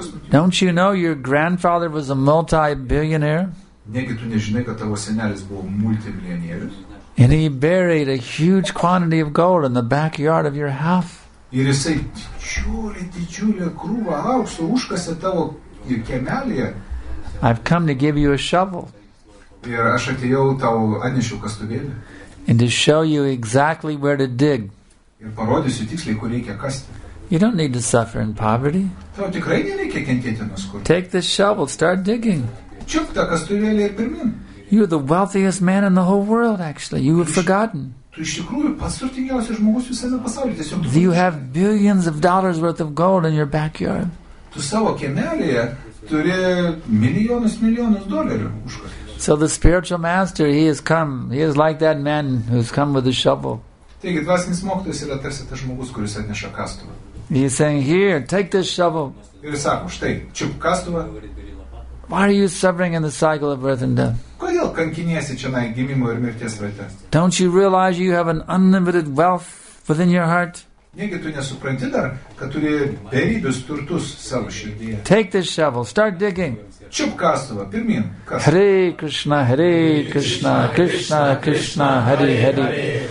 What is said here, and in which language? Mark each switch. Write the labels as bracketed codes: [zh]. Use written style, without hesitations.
[en] Don't you know your grandfather was a multi-billionaire? And he buried a huge quantity of gold in the backyard of your house. [lt] Ir jisai didžiulį, didžiulį krūvą aukso užkasė tavo kemelėje. [en] I've come to give you a shovel. [lt] Ir aš atėjau tavo atnešiau kastuvėlį. [en] And to show you exactly where to dig. [lt] Ir parodysiu tiksliai, kur reikia kasti. [en] You don't need to suffer in poverty. [lt] Tau tikrai nereikia kentėti nuo skurdo. [en] Take this shovel, start digging. [lt] Čiupk tą kastuvėlį ir pirmin. [en] You're the wealthiest man in the whole world, actually. You have forgotten. [lt] Tu iš tikrųjų pats turtingiausias žmogus visame pasaulyje. Tiesiog [en] do you have billions of dollars worth of gold in your backyard? [lt] Tu savo kemelėje turi milijonus dolerių užkasus. [en] So the spiritual master, he has come. He is like that man who's come with a shovel. [lt] Taigi, dvasinis mokytojas yra tarsi tas žmogus, kuris atneša kastuvą. [en] He is saying, here, take this shovel. [lt] Ir jis sako, štai, čiup kastuvą. [en] Why are you suffering in the cycle of birth and death? [lt] Kodėl kankiniesi čionai gimimo ir mirties rate? [en] Don't you realize you have an unlimited wealth within your heart? [lt] Negi tu nesupranti dar, kad turi beribius turtus savo širdyje. [en] Take this shovel, start digging. [lt] Čiup kastuvą, pirmin. [sa] Hare Krishna, Hare Krishna, Krishna Krishna, Hare Hare.